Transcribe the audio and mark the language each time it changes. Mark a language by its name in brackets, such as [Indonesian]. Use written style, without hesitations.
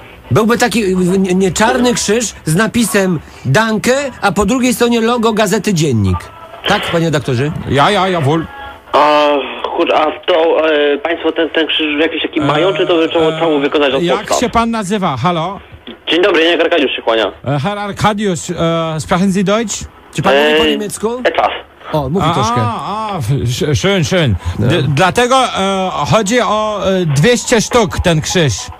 [Polish] Byłby taki nie czarny krzyż z napisem Danke, a po drugiej stronie logo gazety Dziennik. Tak, panie doktorze? [German] Ja wol. [Polish] Państwo ten krzyż jakiś taki mają, czy to trzeba całą wykonać od jak podstaw? Się pan nazywa? Halo? Dzień dobry, Janek Arkadiusz się kłania. [German] Herr Arkadiusz, sprechen Sie Deutsch? [Polish] Czy pan mówi po niemiecku? [German] Etwas. [Polish] O, mówi troszkę. [German] Schön. [Polish] Dlatego chodzi o 200 sztuk ten krzyż.